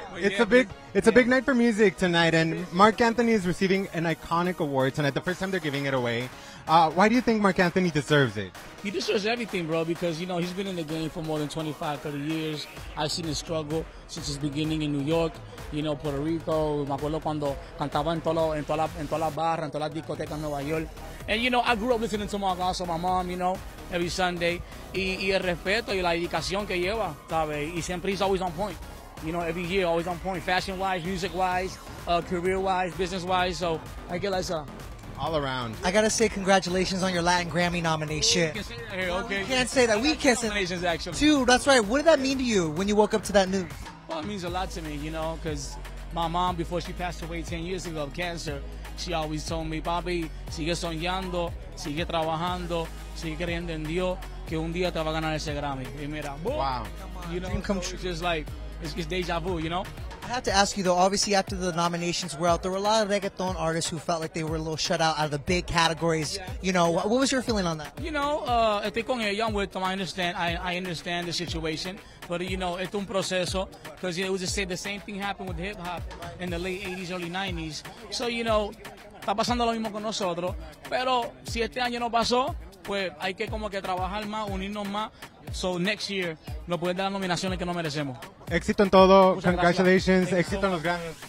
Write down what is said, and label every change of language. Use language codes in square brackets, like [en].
[en] It's a big night for music tonight, and Mark Anthony is receiving an iconic award tonight, the first time they're giving it away. Why do you think Mark Anthony deserves it? He deserves everything, bro, because, you know, he's been in the game for more than 25, 30 years. I've seen his struggle since his beginning in New York, you know, Puerto Rico. [es] Me acuerdo cuando cantaba en toda la barra, en toda la discoteca en Nueva York. [en] And, you know, I grew up listening to Mark also, my mom, you know, every Sunday. [es] Y el respeto y la dedicación que lleva, ¿sabes? Y siempre [en] he's always on point. You know, every year, always on point, fashion-wise, music-wise, career-wise, business-wise. So, I get like all around. I got to say congratulations on your Latin Grammy nomination. We can't say that here, okay? We can't say that. We can't say nominations, actually. Dude, that's right. What did that mean to you when you woke up to that news? Well, it means a lot to me, you know, because my mom, before she passed away 10 years ago of cancer, she always told me, [es] Papi, sigue soñando, sigue trabajando, sigue creyendo en Dios, que un día te va a ganar ese Grammy. Y mira, boom. [en] Wow. You know, come true. Just like... It's deja vu, you know? I have to ask you, though, obviously after the nominations were out, there were a lot of reggaeton artists who felt like they were a little shut out of the big categories. Yeah. You know, what was your feeling on that? You know, [es] estoy con ella, [en] I'm with them. I understand the situation. But, you know, it's [es] un proceso. [en] Because it was just the same thing happened with hip-hop in the late 80s, early 90s. So, you know, [es] está pasando lo mismo con nosotros. Pero si este año no pasó, pues hay que como que trabajar más, unirnos más. [en] So next year, [es] no pueden dar las nominaciones que no merecemos. Éxito en todo. [en] Congratulations. [es] Éxito en los Grammys.